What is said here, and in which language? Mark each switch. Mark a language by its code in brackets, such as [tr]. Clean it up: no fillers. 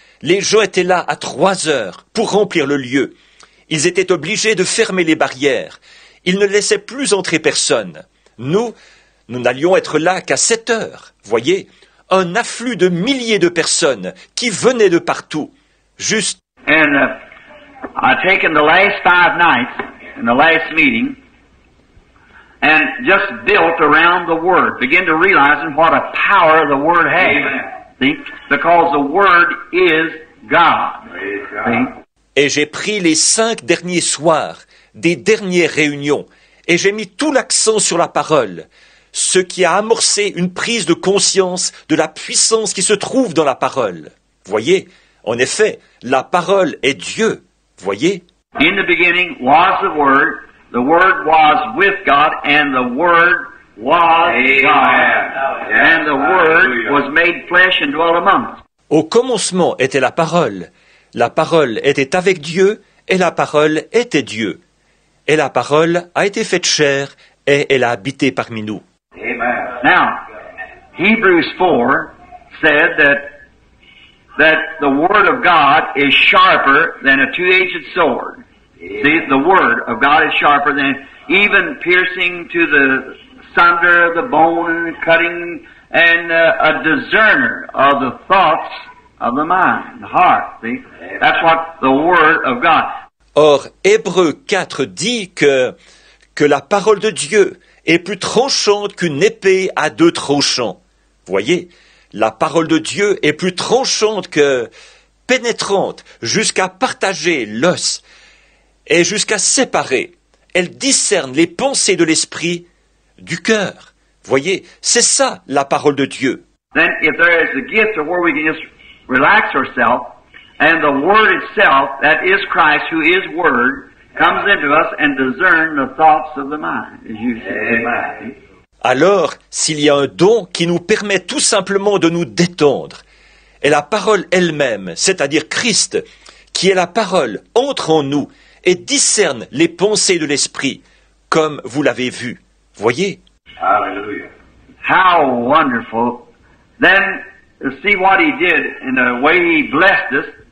[fr] Les gens étaient là à 3 heures pour remplir le lieu. Ils étaient obligés de fermer les barrières. Ils ne laissaient plus entrer personne. Nous n'allions être là qu'à 7 heures. Voyez, un afflux de milliers de personnes qui venaient de partout. Juste. [en] And I've taken the last 5 nights in the last meeting and just built around the Word. Begin to realize what a power the Word has. See? Because the Word is God. See? [fr] Et j'ai pris les 5 derniers soirs des dernières réunions et j'ai mis tout l'accent sur la parole, ce qui a amorcé une prise de conscience de la puissance qui se trouve dans la parole. Voyez, en effet, la parole est Dieu. Voyez. [en] In the beginning was the Word was with God, and the Word was God. And the Word was made flesh and dwelt among us. [fr] Au commencement était la parole. La parole était avec Dieu et la parole était Dieu. Et la parole a été faite chair et elle a habité parmi nous. Amen. [en] Now, Hebrews 4 said that the word of God is sharper than a two-edged sword. See, the word of God is sharper than even piercing to the sunder of the bone and cutting and a discerner of the thoughts of the mind, the heart. See? That's what the Word of God. [fr] Or, Hébreux 4 dit que la parole de Dieu est plus tranchante qu'une épée à 2 tranchants. Voyez, la parole de Dieu est plus tranchante que pénétrante jusqu'à partager l'os et jusqu'à séparer. Elle discerne les pensées de l'esprit du cœur. Voyez, c'est ça la parole de Dieu. [en] Then, if there is a gift of where we can just relax ourselves, and the Word itself, that is Christ, who is Word, comes into us and discerns the thoughts of the mind, as you say. [fr] Alors, s'il y a un don qui nous permet tout simplement de nous détendre, et la parole elle-même, c'est-à-dire Christ, qui est la parole, entre en nous et discerne les pensées de l'Esprit, comme vous l'avez vu. Voyez. [en] Hallelujah. How wonderful. Then, see what he did in the way he blessed us.